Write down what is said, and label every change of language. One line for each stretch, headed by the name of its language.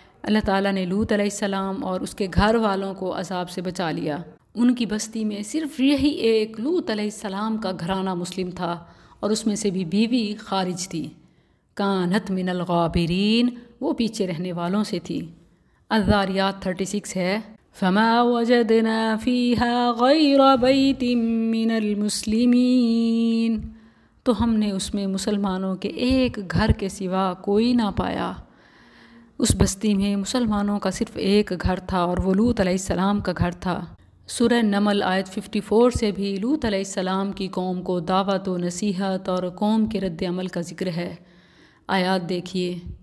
Urdu: اللہ تعالیٰ نے لوط علیہ السلام اور اس کے گھر والوں کو عذاب سے بچا لیا. ان کی بستی میں صرف یہی ایک لوط علیہ السلام کا گھرانہ مسلم تھا اور اس میں سے بھی بیوی خارج تھی.
Arabic: کانت من الغابرین،
Urdu: وہ پیچھے رہنے والوں سے تھی. الذاریات 36 ہے
Arabic: فما وجدنا فيها غير بيت من المسلمين.
Urdu: تو ہم نے اس میں مسلمانوں کے ایک گھر کے سوا کوئی نہ پایا. اس بستی میں مسلمانوں کا صرف ایک گھر تھا اور وہ لوط علیہ السلام کا گھر تھا۔ سورہ نمل آیت 54 سے بھی لوط علیہ السلام کی قوم کو دعوت و نصیحت اور قوم کے رد عمل کا ذکر ہے۔ آیات دیکھیے،